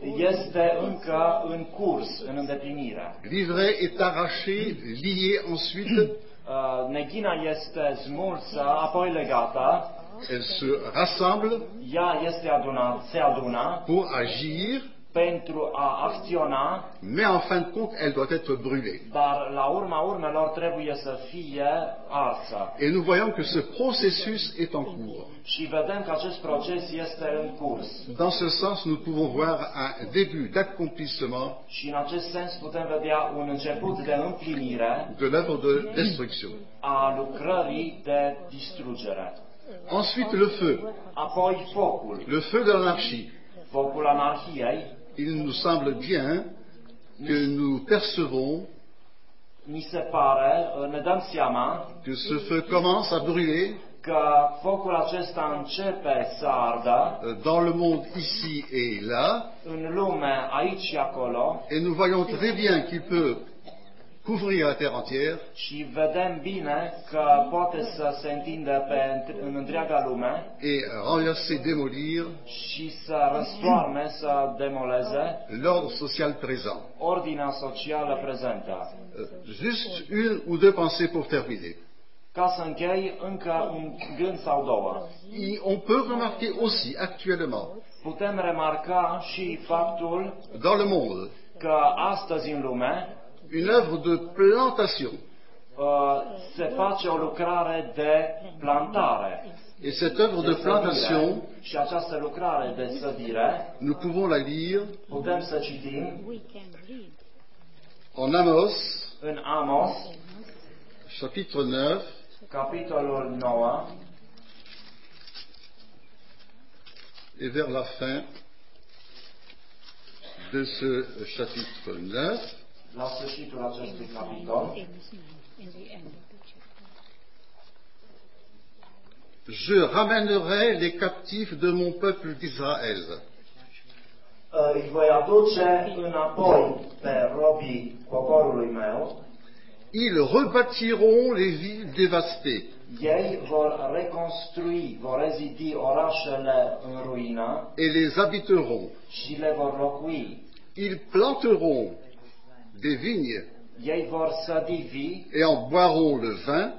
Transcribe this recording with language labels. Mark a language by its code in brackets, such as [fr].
[ro] este încă în curs, în îndeplinire. [fr] L'ivraie est arrachée, liée ensuite, [ro] neghina este smulsă, apoi legată, [fr] elle se rassemble, [ro] ea este adunată, se adună, [fr] pour agir, [ro] pentru a acționa, [fr] mais en fin de compte, elle doit être brûlée. [ro] Dar la urma urmelor trebuie să fie arsă. [fr] Et nous voyons que ce processus est en cours. [ro] Și vedem că acest proces este în curs. [fr] Dans ce sens, nous pouvons voir un début d'accomplissement. [ro] Și în acest sens putem vedea un început de împlinire. [fr] De l'œuvre de destruction. [ro] A lucrării de distrugere. [fr] Ensuite, le feu. [ro] Apoi focul. [fr] Le feu de l'anarchie. [ro] Focul anarhiei. [fr] Il nous semble bien que nous percevons [ro] mi se pare, ne dăm seama, [fr] que ce feu commence à brûler [ro] că focul acesta începe să ardă [fr] dans le monde ici et là, [ro] în lume, aici și acolo, [fr] et nous voyons très bien qu'il peut couvrir la terre entière, [ro] și vedem bine că poate să se întindă pe în întreaga lume, [fr] et renverser, démolir, [ro] și să răstoarne, să demoleze, [fr] l'ordre social présent, [ro] ordinea socială prezentă. [fr] Juste une ou deux pensées pour terminer. [ro] Ca să închei încă un gând sau două. [fr] Et on peut remarquer aussi actuellement, [ro] putem remarca și faptul, [fr] dans le monde, [ro] că astăzi în lume, [fr] une œuvre de plantation. [ro] Se face o lucrare de plantare. [fr] Et cette œuvre de plantation, [ro] și această lucrare de sădire, [fr] nous pouvons la lire, [ro] putem să citim, [fr] en Amos, [ro] în Amos, [fr] chapitre 9, [ro] capitolul 9, [fr] et vers la fin de ce chapitre 9, [ro] la sfârșitul acestui capitol. [fr] Je ramènerai les captifs de mon peuple d'Israël. [ro] Îi voi aduce înapoi pe robii poporului meu. [fr] Ils rebâtiront les villes dévastées. [ro] Ei vor reconstrui, vor rezidi orașele în ruină. [fr] Et les habiteront. [ro] Și le vor locui. [fr] Ils planteront des vignes et en boiront le vin.